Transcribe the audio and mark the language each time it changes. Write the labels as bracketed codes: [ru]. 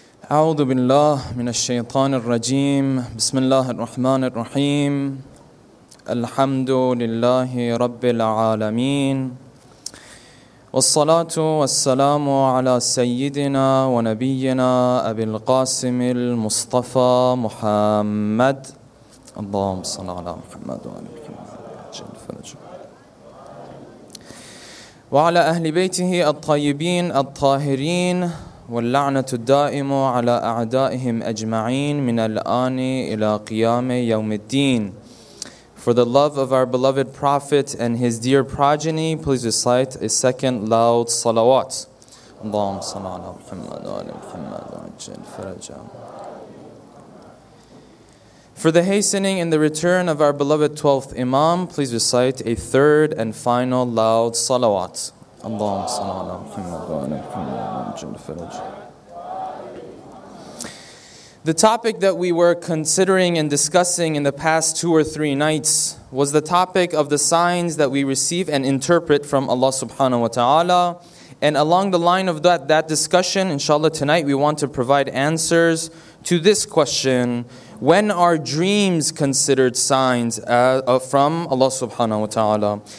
[ar] أعوذ بالله من الشيطان الرجيم بسم الله الرحمن الرحيم الحمد لله رب العالمين والصلاة والسلام على سيدنا ونبينا أبي القاسم المصطفى محمد اللهم صل على محمد وعلى آل محمد وعلى أهل بيته الطيبين الطاهرين واللعنة الدائمة على أعدائهم أجمعين من الآن إلى قيام يوم الدين. [en] For the love of our beloved Prophet and his dear progeny, please recite a second loud salawat. [ar] اللهم صل على محمد وعلى محمد وعجل فرجه. [en] For the hastening and the return of our beloved 12th Imam, please recite a third and final loud salawat. [ar] اللهم صل على محمد وعلى محمد وعجل فرجه. [en] The topic that we were considering and discussing in the past two or three nights was the topic of the signs that we receive and interpret from Allah subhanahu wa ta'ala. And along the line of that discussion, inshallah, tonight we want to provide answers to this question: when are dreams considered signs from Allah subhanahu wa ta'ala?